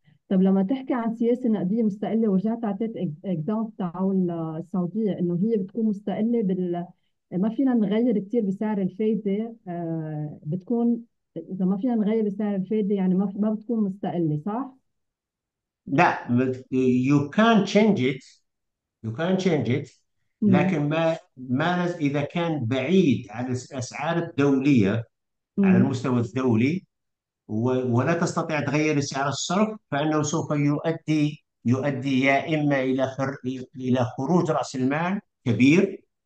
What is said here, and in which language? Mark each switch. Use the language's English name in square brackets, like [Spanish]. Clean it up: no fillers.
[Arabic] طب لما تحكي عن سياسة نقدية مستقلة ورجعت أعطيت إكزامبل تاع السعودية إنه هي بتكون مستقلة ما فينا نغير كثير بسعر الفايدة، بتكون إذا ما فينا نغير بسعر الفايدة يعني ما بتكون مستقلة صح؟ لا، [English] you can't change it. You can't change it. [Arabic] لكن ما إذا كان بعيد عن الأسعار الدولية على المستوى الدولي، ولا تستطيع تغير سعر الصرف، فإنه سوف يؤدي يا إما إلى خروج رأس المال كبير.